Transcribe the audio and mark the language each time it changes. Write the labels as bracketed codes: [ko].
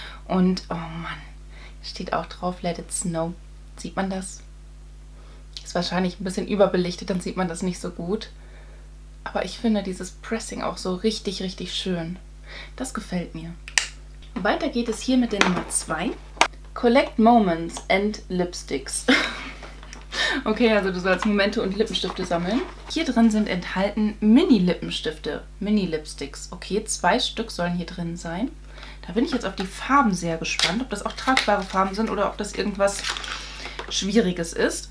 [de] Und oh Mann, steht auch drauf, Let It Snow. Sieht man das? Ist wahrscheinlich ein bisschen überbelichtet, dann sieht man das nicht so gut. Aber ich finde dieses Pressing auch so richtig, richtig schön. Das gefällt mir. Weiter geht es hier mit der Nummer 2. [en] Collect Moments and Lipsticks. [de] Okay, also du sollst Momente und Lippenstifte sammeln. Hier drin sind enthalten Mini-Lippenstifte, Mini-Lipsticks. Okay, 2 Stück sollen hier drin sein. Da bin ich jetzt auf die Farben sehr gespannt, ob das auch tragbare Farben sind oder ob das irgendwas Schwieriges ist.